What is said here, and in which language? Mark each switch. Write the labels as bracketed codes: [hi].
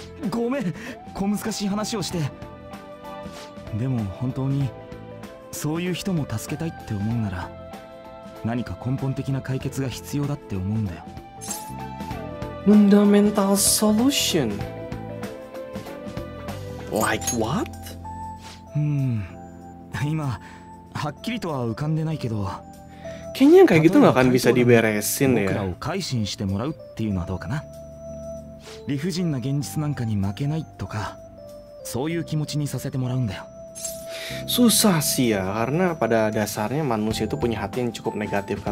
[ja] ごめん、小難しい話をして。でも本当にそういう人も助けたいって思うなら、何か根本的な解決が必要だって思うんだよ。 [en] フンダメンタルソリューション Like what? [ja] 今はっきりとは浮かんでないけど、 [id] kayaknya kayak gitu gak akan bisa diberesin ya. [ja] 僕らを改心してもらうっていうのはどうかな。理不尽な現実なんかに負けないとか、そういう気持ちにさせてもらうんだよ。 [id] Susah sih ya, karena pada dasarnya manusia itu punya hati yang cukup negatif kan.